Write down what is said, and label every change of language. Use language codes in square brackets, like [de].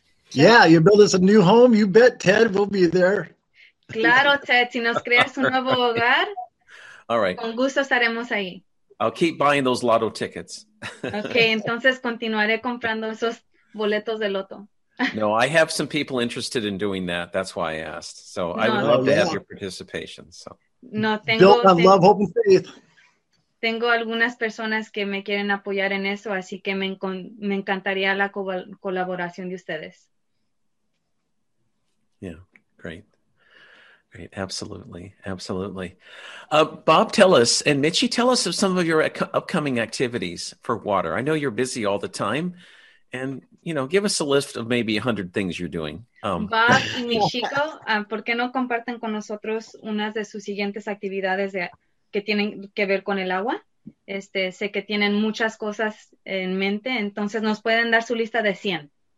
[en] Yeah, you build us a new home, you bet, Ted, we'll be there. [es] Claro, Ted, si nos creas un nuevo hogar, [en] all right, [es] con gusto estaremos ahí. [en] I'll keep buying those lotto tickets. [es] Okay, entonces continuaré comprando esos boletos de loto. [en] No, I have some people interested in doing that. That's why I asked. So no, I would love to have your participation. So. [es] No, tengo, [en] built on love, hope, and faith. [es] Tengo algunas personas que me quieren apoyar en eso, así que me encantaría la colaboración de ustedes. [en] Yeah, great. Great, absolutely, absolutely. Bob, tell us, and Mitchie, tell us of some of your upcoming activities for water. I know you're busy all the time. And, you know, give us a list of maybe 100 things you're doing. [es] Bob y Michiko, ¿por qué no comparten con nosotros unas de sus siguientes actividades que tienen que ver con el agua? Sé que tienen muchas cosas en mente, entonces nos pueden dar su lista de 100.